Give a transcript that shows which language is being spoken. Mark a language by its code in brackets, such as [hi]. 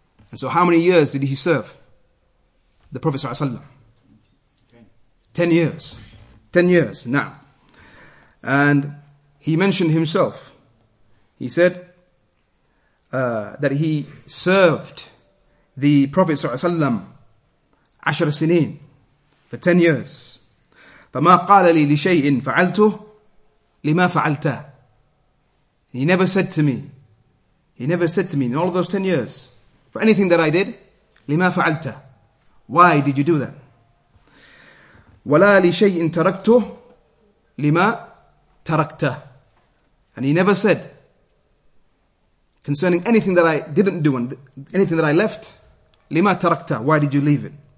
[en] And so how many years did he serve the Prophet sallallahu alaihi wasallam? 10 years. 10 years. Now, and he mentioned himself. He said that he served the Prophet sallallahu alaihi wasallam 10 سنين, for 10 years. [ar] فما قال لي لشيء فعلته لما فعلته. [en] He never said to me in all of those 10 years, for anything that I did, [ar] لما فعلته. [en] Why did you do that? [ar] وَلَا لِشَيْءٍ تَرَكْتُهُ لِمَا تَرَكْتَهُ. [en] And he never said, concerning anything that I didn't do, and anything that I left, [ar] لِمَا تَرَكْتَهُ, [en] why did you leave it?